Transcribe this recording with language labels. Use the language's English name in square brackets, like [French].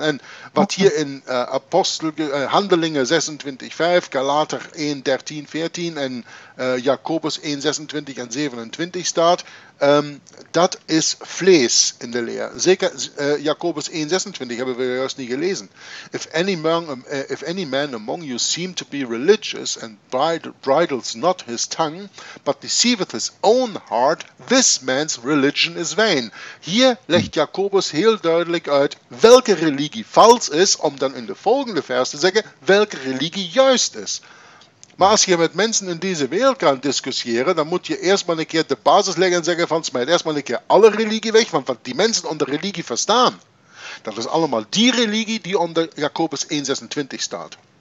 [Dutch] En wat hier in Handelingen 26:5, Galater 1:13-14 en Jacobus 1:26-27 staat. Dat is vlees in de leer. Zeker Jacobus 1:26 hebben we juist niet gelezen. [English] If any man among you seem to be religious and bridles not his tongue, but deceiveth his own heart, this man's religion is vain. [Dutch] Hier legt Jacobus heel duidelijk uit welke religie vals is, om dan in de volgende vers te zeggen welke religie juist is. Maar als je met mensen in deze wereld kan discussiëren, dan moet je eerst maar een keer de basis leggen en zeggen van smijt eerst maar een keer alle religie weg, want wat die mensen onder religie verstaan, dat is allemaal die religie die onder Jacobus 1:26 staat.